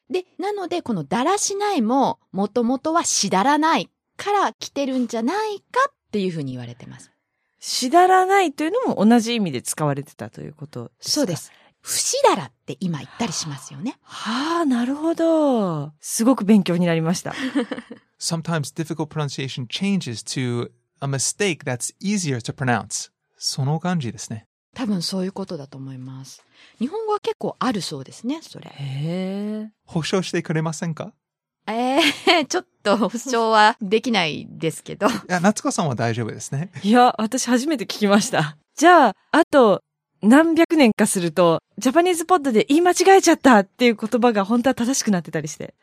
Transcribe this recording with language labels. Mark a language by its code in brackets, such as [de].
[ja] で、なのでこのだらしないももともとはしだらないから来てるんじゃないかっていうふうに言われてます。しだらないというのも同じ意味で使われてたということですか？そうです。不しだらって今言ったりしますよね。はあ、なるほど。すごく勉強になりました。 [en] Sometimes difficult pronunciation changes to a mistake that's easier to pronounce. [ja] その感じですね。多分そういうことだと思います。日本語は結構あるそうですね、それ。保証してくれませんか？ちょっと保証はできないですけど。いや、夏子さんは大丈夫ですね。いや、私初めて聞きました。じゃあ、あと、何百年かするとジャパニーズポッドで言い間違えちゃったっていう言葉が本当は正しくなってたりして。